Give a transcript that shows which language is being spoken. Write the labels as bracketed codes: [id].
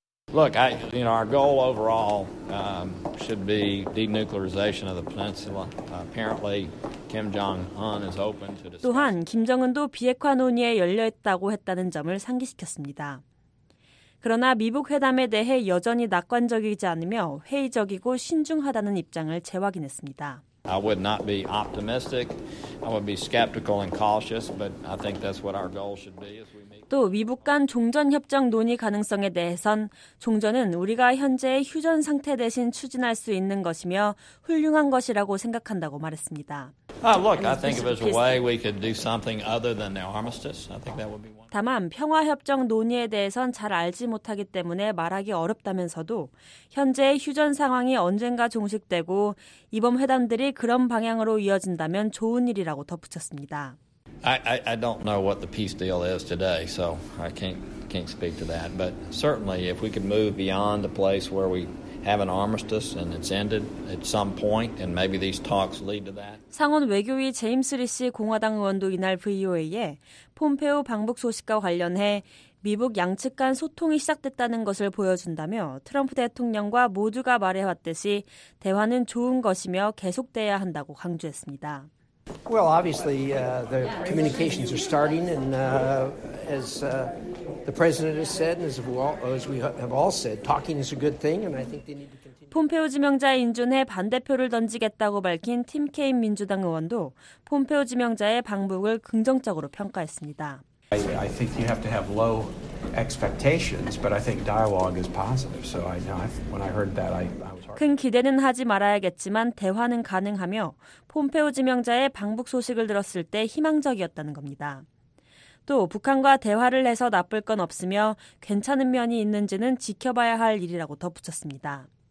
[en] Look, our goal overall should be denuclearization of the peninsula. Apparently, Kim Jong-un is open to discuss. [ko] 또한 김정은도 비핵화 논의에 열려 있다고 했다는 점을 상기시켰습니다. 그러나 미북 회담에 대해 여전히 낙관적이지 않으며 회의적이고 신중하다는 입장을 재확인했습니다. [en] I would not be optimistic. I would be skeptical and cautious, but I think that's what our goal should be as we meet. [ko] 또 미북 간 종전 협정 논의 가능성에 대해선 종전은 우리가 현재의 휴전 상태 대신 추진할 수 있는 것이며 훌륭한 것이라고 생각한다고 말했습니다. [en] Look, I think if there's a way we could do something other than the armistice, I think that would be one. [ko] 다만 평화 협정 논의에 대해선 잘 알지 못하기 때문에 말하기 어렵다면서도 현재의 휴전 상황이 언젠가 종식되고 이번 회담들이 그런 방향으로 이어진다면 좋은 일이라고 덧붙였습니다. [en] I don't know what the peace deal is today, so I can't speak to that. But certainly, if we could move beyond the place where we have an armistice and it's ended at some point, and maybe these talks lead to that. [ko] 상원 외교위 제임스 리시 공화당 의원도 이날 VOA에 폼페오 방북 소식과 관련해 미북 양측 간 소통이 시작됐다는 것을 보여준다며 트럼프 대통령과 모두가 말해왔듯이 대화는 좋은 것이며 계속돼야 한다고 강조했습니다. [en] Well, obviously, the communications are starting, and as the president has said, and as we have all said, talking is a good thing, and I think they need to continue. [ko] 폼페오 지명자의 인준에 반대표를 던지겠다고 밝힌 팀 케인 민주당 의원도 폼페오 지명자의 방북을 긍정적으로 평가했습니다. [en] I think you have to have low expectations, but I think dialogue is positive. So when I heard that, I. [ko] 큰 기대는 하지 말아야겠지만 대화는 가능하며 폼페오 지명자의 방북 소식을 들었을 때 희망적이었다는 겁니다. 또 북한과 대화를 해서 나쁠 건 없으며 괜찮은 면이 있는지는 지켜봐야 할 일이라고 덧붙였습니다.